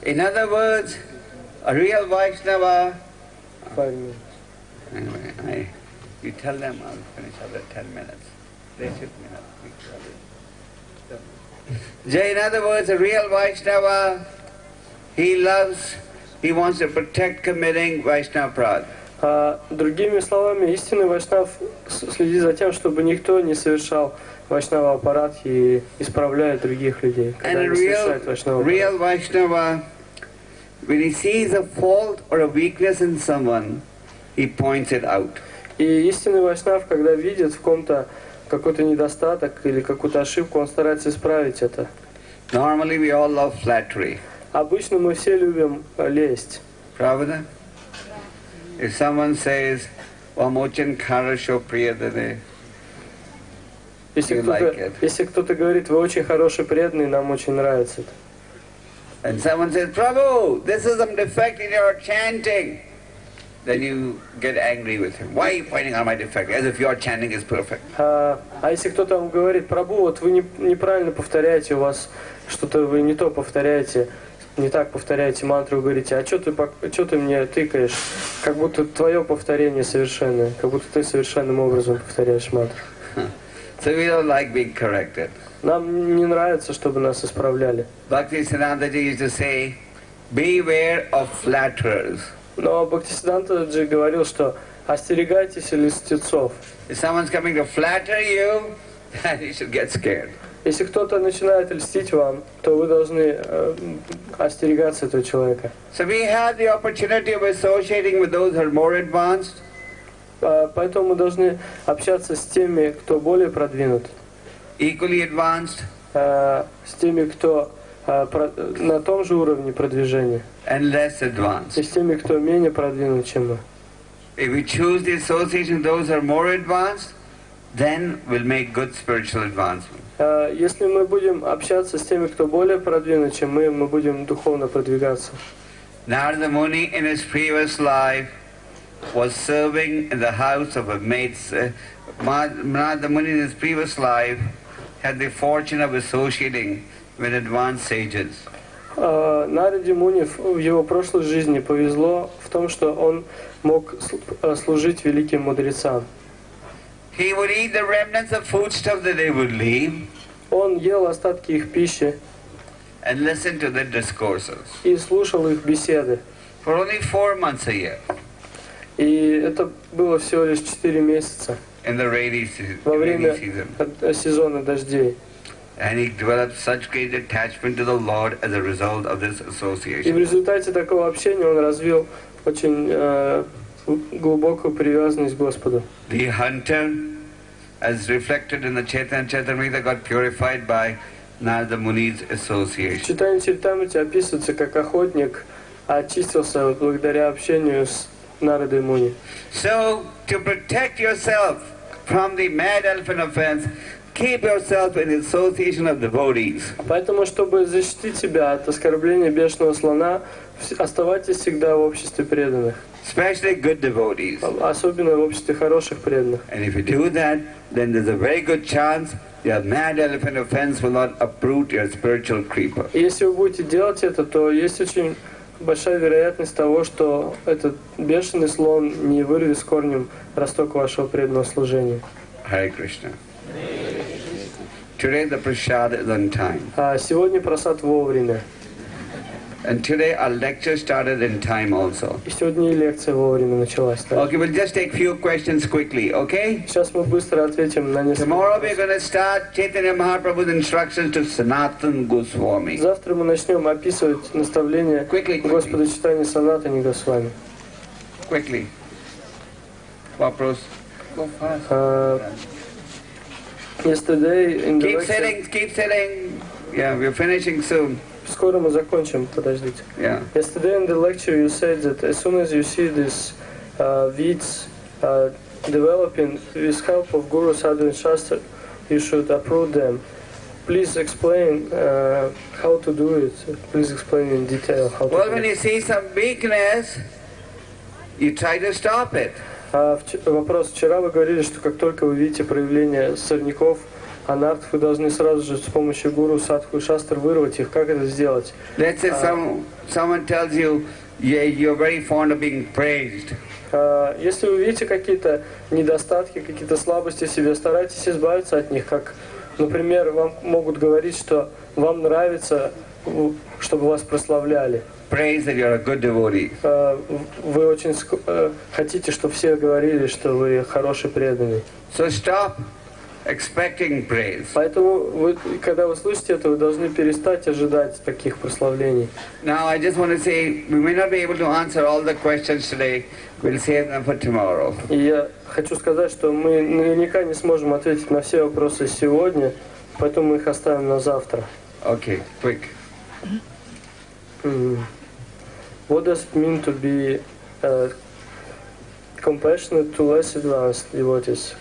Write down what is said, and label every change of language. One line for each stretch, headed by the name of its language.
English: In other words, a real Vaishnava. Five minutes. Anyway, you tell them I'll finish after 10 minutes. They should be not. Jay, in other words, a real Vaishnava, he loves, he wants to protect committing Vaishnava prad.
Russian: Другими словами, истинный вайшнав следит за тем, чтобы никто не совершал вайшнава аппарат и исправляет других людей, когда они совершают вайшнава аппарат.
English: Real vaishnava, when he sees a fault or a weakness in someone, he points it out.
Russian: И истинный вайшнав, когда видит в ком-то какой-то недостаток или какую-то ошибку, он старается исправить это.
English: Normally we all love flattery.
Russian: Обычно мы все любим лесть. Правда?
English: If someone says,
Russian: "Vamochan karasho priyadane,"
English: you like it.
Russian: Если кто-то говорит, вы очень хороший преданный, нам очень нравится это.
English: And someone says, "Prabhu, this is some defect in your chanting," then you get angry with him. Why are you pointing out my defect? As if your chanting is perfect.
Russian: А если кто-то вам говорит, Прабу, вот вы неправильно повторяете, у вас что-то вы не то повторяете. Не так повторяете мантру, говорите, а что ты мне тыкаешь, как будто твое повторение совершенное, как будто ты совершенным образом повторяешь мантру.
English: So we don't like being corrected.
Russian: Нам не нравится, чтобы нас исправляли.
English: Bhaktisiddhanta ji used to say, beware of flatterers.
Russian: Но Бхактисиддханта ji говорил, что остерегайтесь льстецов.
English: If someone's coming to flatter you, then you should get scared.
Russian: Если кто-то начинает льстить вам, то вы должны остерегаться этого человека.
English: So we have the opportunity of associating with those who are more advanced.
Russian: Поэтому мы должны общаться с теми, кто более продвинут.
English: Equally advanced.
Russian: С теми, кто на том же уровне продвижения.
English: And less advanced.
Russian: И с теми, кто менее продвинут, чем мы.
English: If we choose the association of those who are more advanced, then we'll make good spiritual advancement.
Russian: Если мы будем общаться с теми, кто более продвинут, чем мы будем духовно продвигаться.
English: Narada Muni in his previous life was serving in the house of a maid. Narada Muni in his previous life had the fortune of associating with advanced sages.
Russian: Нараде Муни в его прошлой жизни повезло в том, что он мог служить великим мудрецам.
English: He would eat the remnants of foodstuff that they would leave.
Russian: Он ел остатки их пищи.
English: And listened to their discourses.
Russian: И слушал их беседы.
English: For only 4 months a year.
Russian: И это было всего лишь 4 месяца.
English: In the rainy season.
Russian: Во время сезона дождей.
English: And he developed such great attachment to the Lord as a result of this association.
Russian: И в результате такого общения он развил очень глубокую привязанность к Господу.
English: The hunter, as reflected in the Chaitanya Charitamrita, got purified by Narada Muni's association.
Russian: Chaitanya Charitamrita описывается как охотник, очистился благодаря общению с Нарадой Муни.
English: So, to protect yourself from the mad elephant offense, keep yourself in the association of devotees.
Russian: Поэтому, чтобы защитить себя от оскорбления бешеного слона, оставайтесь всегда в обществе преданных.
English: Especially good devotees.
Russian: Особенно в обществе хороших преданных.
English: And if you do that, then there's a very good chance your mad elephant offense will not uproot your spiritual creeper.
Russian: Если вы будете делать это, то есть очень большая вероятность того, что этот бешеный слон не вырвет с корнем росток вашего преданного служения.
English: Hare Krishna. Today the prasad is on time.
Russian: Сегодня прасад вовремя.
English: And today our lecture started in time also.
Russian: Сегодня лекция вовремя началась. Да?
English: Okay, we'll just take few questions quickly, okay?
Russian: Сейчас мы быстро ответим на несколько.
English: Tomorrow we're going to start Chaitanya Mahaprabhu's instructions to Sanatan Goswami.
Russian: Завтра мы начнем описывать наставления Господа Чайтаньи Санатани Госвами.
English: Quickly.
Russian: Вопрос.
English: Go fast. Yesterday in the keep sitting, keep sitting. Yeah, we're finishing soon.
Russian: Скоро мы закончим, подождите.
English: Yeah. Yesterday in the lecture you said that as soon as you see this weeds developing with help of Guru Sadhu and Shastra, you should uproot them. Please explain how to do it. Please explain in detail how to do it. Well, when you see some weakness, you try to stop it.
Russian: Вопрос. Вчера вы говорили, что как только вы видите проявление сорняков, анарт, вы должны сразу же с помощью гуру, садху и шастр вырвать их. Как это сделать?
English: Let's say someone tells you, you're very fond of being praised.
Russian: Если вы видите какие-то недостатки, какие-то слабости в себе, старайтесь избавиться от них, как Например, вам могут говорить, что вам нравится, чтобы вас прославляли.
English: Praise that you're a good devotee.
Russian: Вы очень хотите, чтобы все говорили, что вы хороший преданный.
English: So stop expecting praise.
Russian: Поэтому вы, когда вы слышите это, вы должны перестать ожидать таких прославлений.
English: Now I just want to say, we may not be able to answer all the questions today. We'll save them for tomorrow.
Russian: Я хочу сказать, что мы наверняка не сможем ответить на все вопросы сегодня, поэтому мы их оставим на завтра.
English: Okay, quick. What does it mean to be compassionate to less advanced devotees?